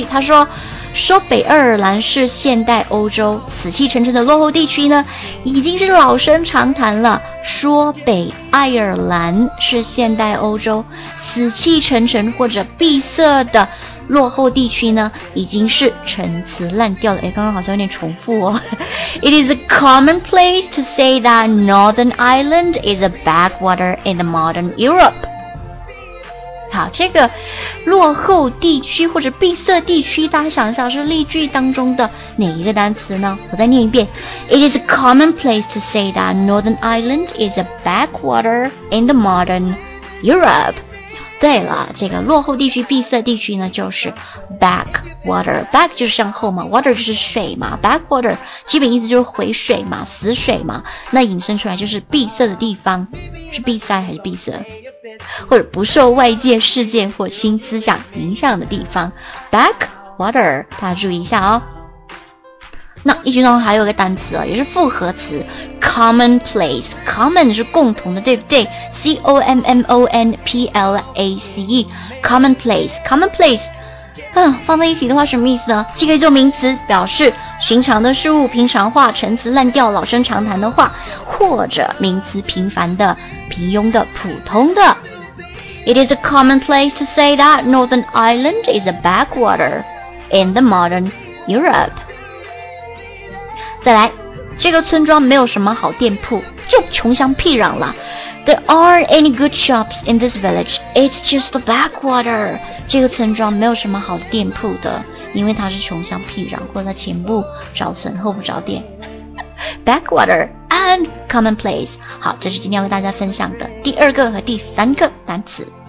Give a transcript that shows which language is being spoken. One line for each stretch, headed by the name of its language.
Chinese: 他说说北爱尔兰是现代欧洲死气沉沉的落后地区呢，已经是老生常谈了。说北爱尔兰是现代欧洲死气沉沉或者闭塞的落后地区呢，已经是陈词滥调了。诶，刚刚好像有点重复哦。
English: It is a commonplace to say that Northern Ireland is a backwater in the modern Europe.
Chinese: 好，这个落后地区或者闭塞地区，大家想一想是例句当中的哪一个单词呢？我再念一遍。
English: It is a commonplace to say that Northern Ireland is a backwater in the modern Europe.
Chinese: 对了，这个落后地区闭塞地区呢就是 backwater. Back 就是向后嘛， water 就是水嘛， backwater 基本意思就是回水嘛，死水嘛，那引申出来就是闭塞的地方，是闭塞还是闭塞？或者不受外界事件或新思想影响的地方， backwater, 大家注意一下哦。那一句当中还有一个单词也是复合词， commonplace, common 是共同的，对不对？ c-o-m-m-o-n-p-l-a-c-e, commonplace, commonplace, 放在一起的话什么意思呢？记个做名词，表示寻常的事物，平常话，陈词滥调，老生常谈的话，或者名词平凡的，平庸的，普通的。
English: It is a commonplace to say that Northern Ireland is a backwater in the modern Europe.
Chinese: 再来，这个村庄没有什么好店铺，就穷乡僻壤了。
English: There aren't any good shops in this village. It's just a backwater.
Chinese: 这个村庄没有什么好店铺的，因为它是穷乡僻壤，或者它前不着村后不着店。
English: Backwater and commonplace.
Chinese: 好，这是今天要跟大家分享的第二个和第三个单词。